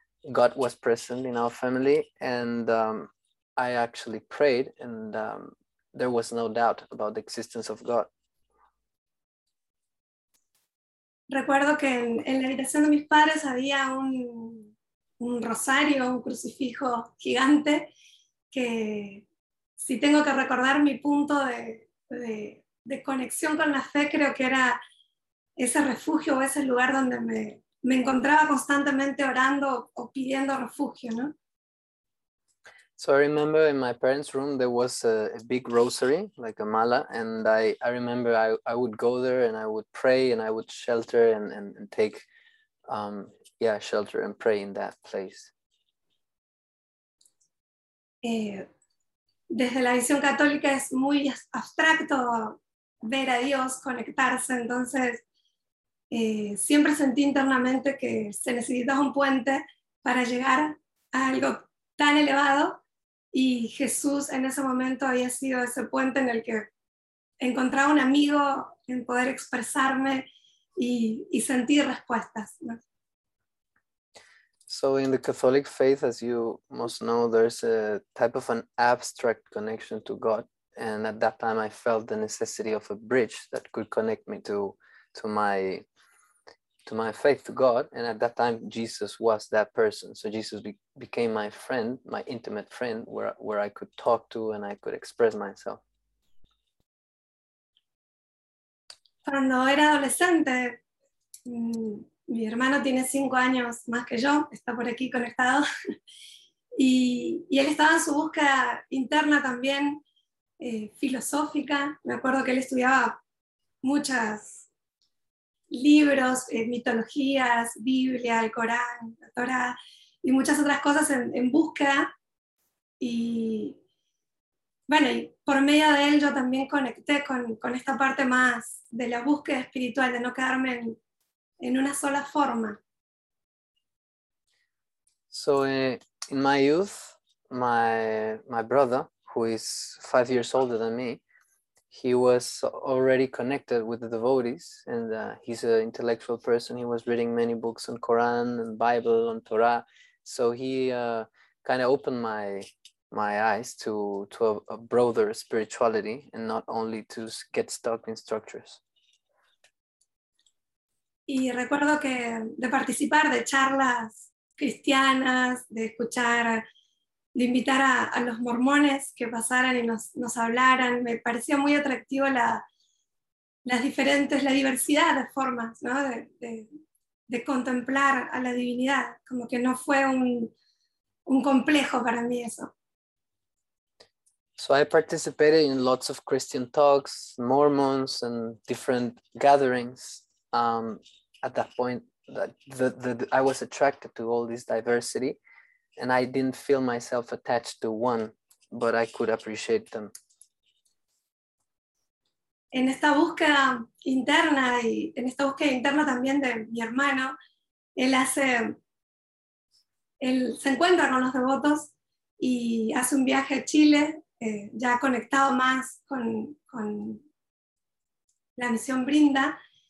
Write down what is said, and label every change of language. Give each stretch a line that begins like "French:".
English: God was present in our family, and I actually prayed, and there was no doubt about the existence of God.
Spanish: Recuerdo que en la habitación de mis padres había un rosario, un crucifijo gigante, que si tengo que recordar mi punto de conexión con la fe, creo que era ese refugio o ese lugar donde me encontraba constantemente orando o pidiendo refugio, ¿no?
English: So I remember in my parents' room there was a big rosary, like a mala, and I remember I would go there and I would pray and I would shelter and take shelter and pray in that place.
Spanish: Desde la visión católica es muy abstracto ver a Dios, conectarse, entonces siempre sentí internamente que se necesitaba un puente para llegar a algo tan elevado, y Jesús en ese momento había sido ese puente en el que encontraba un amigo en poder expresarme y sentir respuestas, ¿no?
English: So in the Catholic faith, as you must know, there's a type of an abstract connection to God. And at that time, I felt the necessity of a bridge that could connect me to my faith, to God. And at that time, Jesus was that person. So Jesus became my friend, my intimate friend, where I could talk to and I could express myself.
Spanish: Cuando era adolescente, mi hermano tiene 5 años más que yo, está por aquí conectado, y él estaba en su búsqueda interna también, filosófica. Me acuerdo que él estudiaba muchos libros, mitologías, Biblia, el Corán, la Torá, y muchas otras cosas en búsqueda. Y bueno, y por medio de él yo también conecté con esta parte más de la búsqueda espiritual, de no quedarme en una sola forma.
English: So in my youth, my brother, who is 5 years older than me, he was already connected with the devotees, and he's an intellectual person. He was reading many books on Quran and Bible and Torah, so he kind of opened my eyes to a broader spirituality and not only to get stuck in structures.
Spanish: Y recuerdo que de participar de charlas cristianas, de escuchar, de invitar a los mormones que pasaran y nos hablaran, me parecía muy atractivo la diversidad de formas, ¿no? De contemplar a la divinidad, como que no fue un complejo para mí eso.
English: So I participated in lots of Christian talks, Mormons, and different gatherings. At that point, I was attracted to all this diversity, and I didn't feel myself attached to one, but I could appreciate them.
Spanish: En esta búsqueda interna y en esta búsqueda interna también de mi hermano, él se encuentra con los devotos y hace un viaje a Chile. Ya conectado más con la misión Brinda.